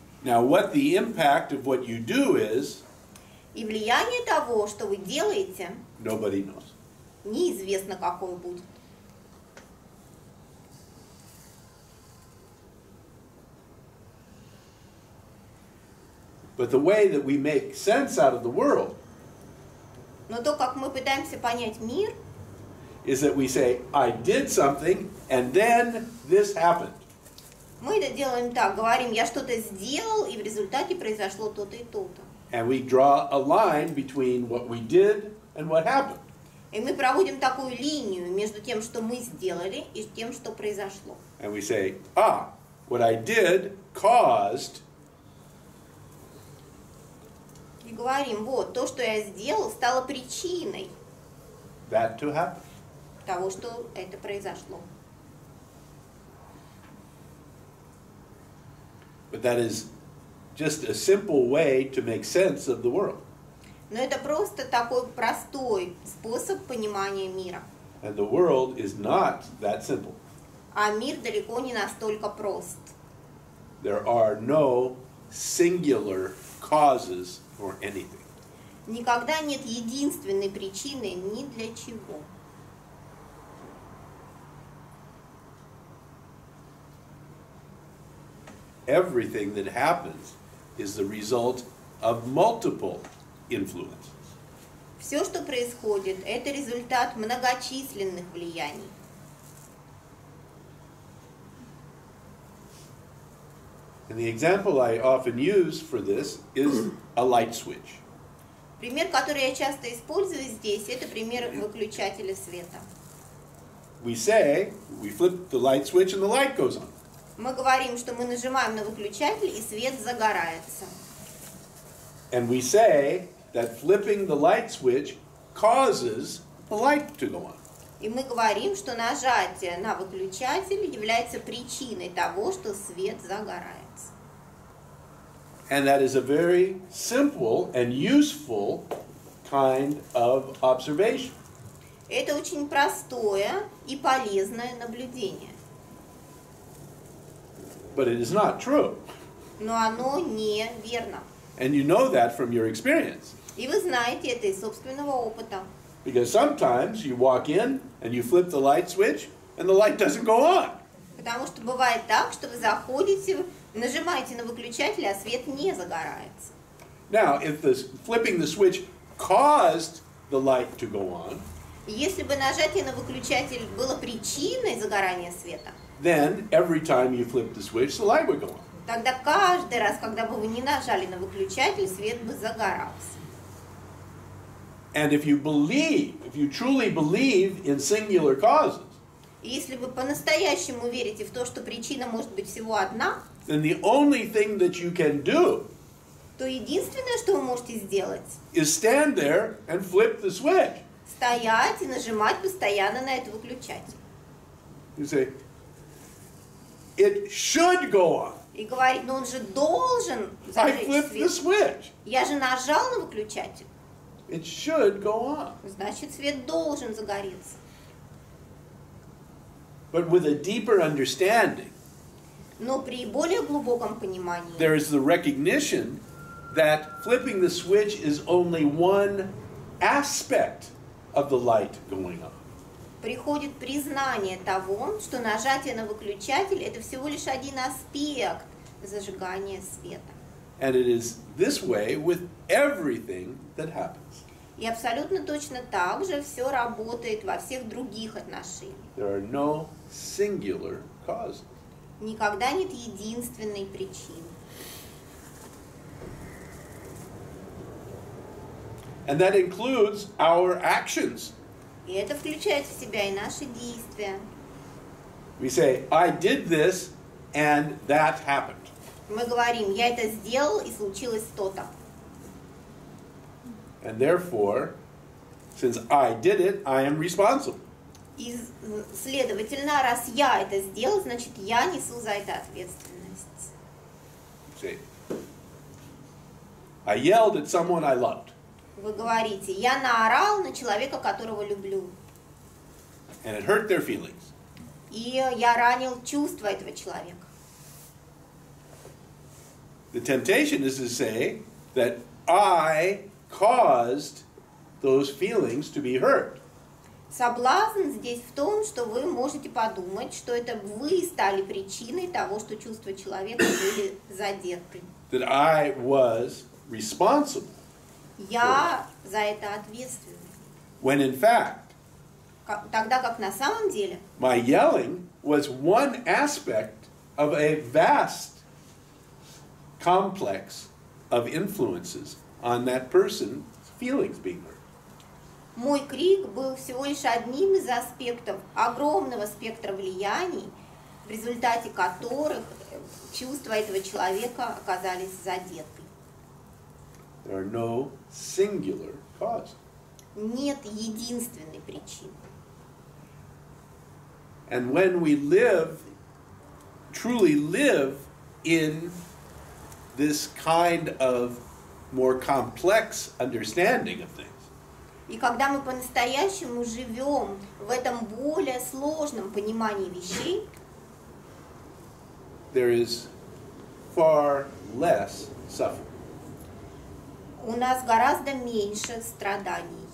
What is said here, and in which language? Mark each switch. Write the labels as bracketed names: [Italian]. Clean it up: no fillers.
[English] Now, what the impact of what you do is? [Russian] И влияние того, что вы делаете, [English] nobody knows. [Russian] Неизвестно, какое будет. [English] But the way that we make sense out of the world, [Russian] но то, как мы пытаемся понять мир, [English] is that we say, I did something, and then this happened. [Russian] Мы это делаем так, говорим, я что-то сделал, и в результате произошло то-то и то-то. [English] And we draw a line between what we did and what happened. [Russian] И мы проводим такую линию между тем, что мы сделали, и тем, что произошло. [English] And we say, ah, what I did caused. [Russian] И говорим, вот, то, что я сделал, стало причиной [English] that to happen. [Russian] Того, что это произошло. [English] But that is just a simple way to make sense of the world. [Russian] Но это просто такой простой способ понимания мира. [English] And the world is not that simple. [Russian] А мир далеко не настолько прост. [English] There are no singular causes. Or anything. [Russian] Никогда нет единственной причины ни для чего. [English] Everything that happens is the result of multiple influences. [Russian] Все, что происходит, это результат многочисленных влияний. [English] And the example I often use for this is a light switch. [Russian] Пример, который я часто использую здесь, это пример выключателя света. [English] We say, we flip the light switch and the light goes on. [Russian] Мы говорим, что мы нажимаем на выключатель, и свет загорается. [English] And we say that flipping the light switch causes the light to go on. [Russian] И мы говорим, что нажатие на выключатель является причиной того, что свет загорается. [English] And that is a very simple and useful kind of observation. [Russian] Это очень простое и полезное наблюдение. [English] But it is not true. [Russian] Но оно не верно. [English] And you know that from your experience. [Russian] И вы знаете это из собственного опыта. [English] Because sometimes you walk in and you flip the light switch and the light doesn't go on. [Russian] Потому что бывает так, что вы заходите, нажимаете на выключатель, а свет не загорается. [English] Now, if the flipping the switch caused the light to go on, [Russian] если бы нажатие на выключатель было причиной загорания света, [English] then every time you flip the switch, the light would go on. [Russian] Тогда каждый раз, когда бы вы не нажали на выключатель, свет бы загорался. [English] And if you believe, if you truly believe in singular causes, [Russian] если вы по-настоящему верите в то, что причина может быть всего одна, [English] then the only thing that you can do, [Russian] то единственное, что вы можете сделать, [English] is stand there and flip the switch. [Russian] Стоять и нажимать постоянно на этот выключатель. [English] You say, it should go on. [Russian] И говорит, но он же должен закрыть свет. [English] I flipped the switch. [Russian] Я же нажал на выключатель. [English] It should go on. [Russian] Значит, свет должен загореться. [English] But with a deeper understanding, [Russian] но при более глубоком понимании, [English] there is the recognition that flipping the switch is only one aspect of the light going on. [Russian] Приходит признание того, что нажатие на выключатель это всего лишь один аспект зажигания света. [English] And it is this way with everything that happens. [Russian] И абсолютно точно так же все работает во всех других отношениях. [English] There are no singular causes. [Russian] Никогда нет единственной причины. [English] And that includes our actions. [Russian] И это включает в себя и наши действия. [English] We say, I did this, and that happened. [Russian] Мы говорим, я это сделал, и случилось то-то. [English] And therefore, since I did it, I am responsible. [Russian] И, следовательно, раз я это сделал, значит, я несу за это ответственность. [English] See? I yelled at someone I loved. [Russian] Вы говорите, я наорал на человека, которого люблю. [English] And it hurt their feelings. [Russian] И я ранил чувства этого человека. [English] The temptation is to say that I caused those feelings to be hurt. [Russian] Соблазн здесь в том, что вы можете подумать, что это вы стали причиной того, что чувства человека были задеты. [English] That I was responsible. [Russian] Я за это ответственный. [English] When in fact, [Russian] тогда как на самом деле, [English] my yelling was one aspect of a vast complex of influences on that person's feelings being hurt. [Russian] Мой крик был всего лишь одним из аспектов огромного спектра влияний, в результате которых чувства этого человека оказались задеты. [English] There are no singular causes. [Russian] Нет единственной причины. [English] And when we live, truly live in this kind of more complex understanding of things. [Russian] И когда мы по-настоящему живем в этом более сложном понимании вещей, [English] there is far less suffering. [Russian] У нас гораздо меньше страданий.